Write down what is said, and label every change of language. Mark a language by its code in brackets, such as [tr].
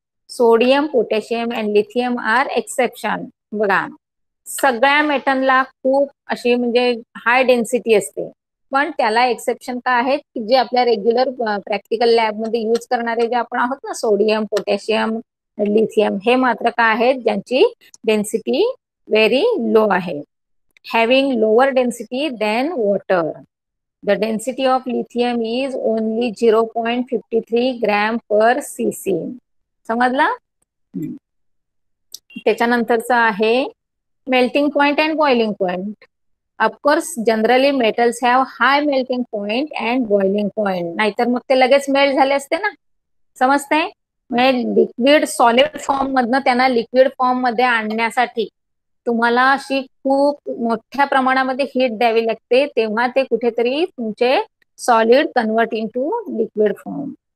[en] Sodium, potassium and lithium are exception. [mr] बघा, सगळ्या मेटलला खूप अशी म्हणजे हाय डेन्सिटी असते, पण त्याला एक्सेप्शन का आहेत की जे आपल्या रेग्युलर प्रॅक्टिकल लॅबमध्ये यूज करणारे जे आपण आहोत ना, सोडियम, पोटॅशियम, लिथियम, हे मात्र का आहेत ज्यांची डेन्सिटी व्हेरी लो आहे, [en] Having lower density than water. The density of lithium is only 0.53 gram per CC. [mr] समजला? त्याच्यानंतरच आहे melting point and boiling point. [en] of course generally metals have high melting point and boiling point, [mr] नाहीतर मग ते लगेच melt झाले असते ना. समजतंय? म्हणजे लिक्विड सॉलिड फॉर्म मधनं त्यांना लिक्विड फॉर्म मध्ये आणण्यासाठी तुम्हाला अशी खूप मोठ्या प्रमाणामध्ये हीट द्यावी लागते, तेव्हा ते कुठेतरी तुमचे solid [en] convert into [mr] liquid form.